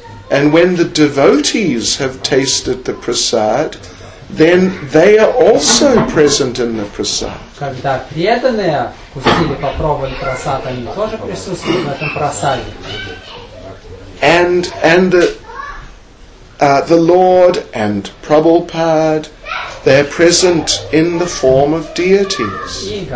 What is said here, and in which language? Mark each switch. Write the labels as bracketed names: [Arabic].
[English] And when the devotees have tasted the prasad, then they are also present in the prasad. [Russian] Когда преданные вкусили, попробовали прасад, они тоже присутствуют в этом прасаде. [English] And the Lord and Prabhupada, they are present in the form of deities.